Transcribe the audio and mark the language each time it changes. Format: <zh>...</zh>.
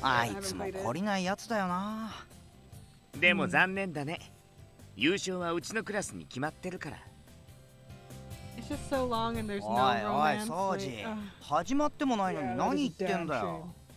<ja>あいつも懲りないやつだよな。でも残念だね。優勝はうちのクラスに決まってるから。</ja> <en>It's just so long and there's no romance.</en> <ja>おいおい、ソージ。始まってもないのに何言ってんだよ。</ja>